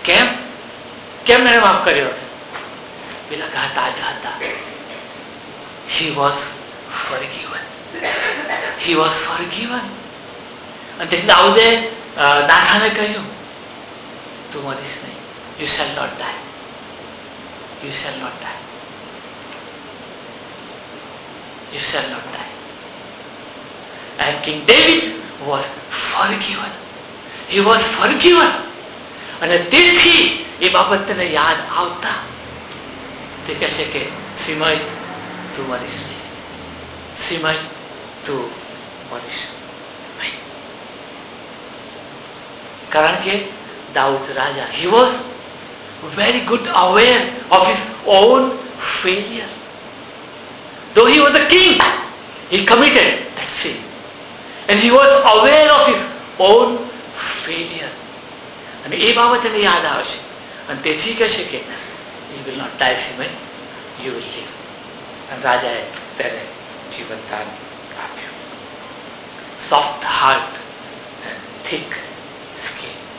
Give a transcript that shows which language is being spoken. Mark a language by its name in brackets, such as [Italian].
[Gujarati] કેમ કેમ એને માફ કર્યો? પેલા ગાતા ગાતા [English] He was forgiven, he was forgiven. [Gujarati] અને તેથી દાઉદે નાથાને કહ્યું, તું મરીશ નહીં, [English] you shall not die, [Gujarati] you shall not dye, you shall not dye. [English] And King David was forgiven. He was forgiven. [Gujarati] અને તેથી એ બાબત તને યાદ આવતા તે કહે છે કે સિમય તું મરીશ નહીં, સિમય તું મરીશ નહીં. કારણ કે દાઉદ રાજા, [English] he was very good aware of his own failure. Though he was a king, he committed that sin. And he was aware of his own failure. [Gujarati] અને એ બાબતને યાદ આવશે અને તેથી કહેશે કે [English] You will not die સિમય, you will live. [Gujarati] અને રાજાએ તેને જીવનદાન આપ્યું. [English] Soft heart and thick skin.